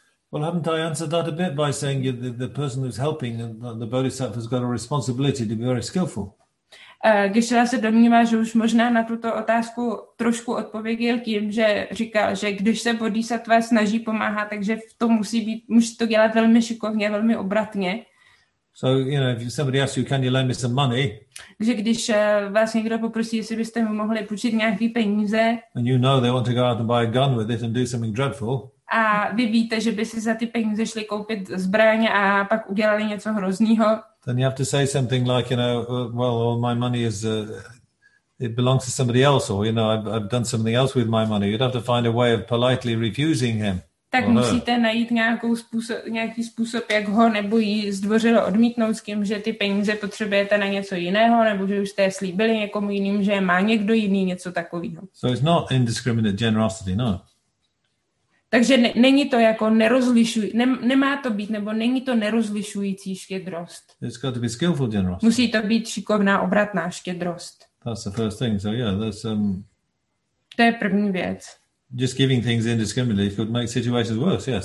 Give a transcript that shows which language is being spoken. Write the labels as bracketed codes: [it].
[en] Well, haven't I answered that a bit by saying the person who's helping and the bodhisattva has got a responsibility to be very skillful? [cs] Geshe-la se domnívá, že už možná na tuto otázku trošku odpověděl tím, že říkal, že když se bodhisattva snaží pomáhat, takže to musí to dělat velmi šikovně, velmi obratně. [en] So, you know, if somebody asks you, can you lend me some money? [cs] Že když vás někdo poprosí, jestli byste mu mohli půjčit nějaký peníze. [en] And you know they want to go out and buy a gun with it and do something dreadful. [cs] A vy víte, že by si za ty peníze šli koupit zbraň a pak udělali něco hroznýho. [en] Then you have to say something like, you know, well, all my money is, it belongs to somebody else, or, you know, I've done something else with my money. You'd have to find a way of politely refusing him. [cs] Tak musíte najít nějaký způsob, jak ho nebo jí zdvořilo odmítnout s tím, že ty peníze potřebujete na něco jiného, nebo že už jste je slíbili někomu jiným, že má někdo jiný něco takového. [en] So it's not indiscriminate generosity, no. [cs] Takže není to jako nerozlišující, nemá to být, nebo není to nerozlišující štědrost. [en] It's got to be skillful generosity. [cs] Musí to být šikovná, obratná štědrost. [en] That's the first thing, so yeah, that's... [cs] To je první věc. [en] Just giving things indiscriminately could make situations worse, yeah.